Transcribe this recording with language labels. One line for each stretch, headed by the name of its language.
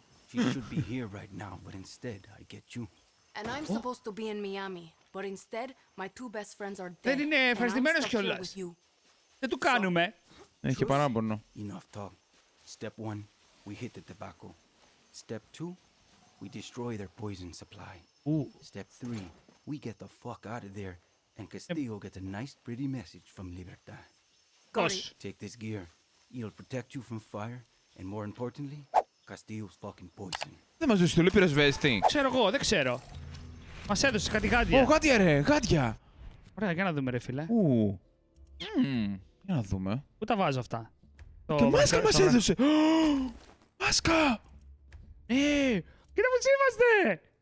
English: She should be here right now, but instead I get you. And I'm supposed to be in Miami, but instead my two best friends are dead.
Greek: Δεν είναι ευχαριστημένος κιόλας. Δεν του κάνουμε. Έχει παράπονο.
English: Enough talk. Step one, we hit the tobacco. Step two, we destroy their poison supply. Ooh. Step three, we get the fuck out of there, and Castillo gets a nice pretty message from Libertad. Gosh! Take this gear. It'll protect you from fire, and more importantly, Castillo's fucking poison.
Greek: Δεν μας δώσει το λίπηρο σβέστη. Ξέρω εγώ, δεν ξέρω. Μας έδωσε κάτι γάντια. Ω, γάντια ρε, γάντια. Ωραία, για να δούμε ρε φίλε. Ου. Για να δούμε. Πού τα βάζω αυτά. Το μάσκα μας έδωσε. Μάσκα. Ναι. Κοίτα πως είμαστε.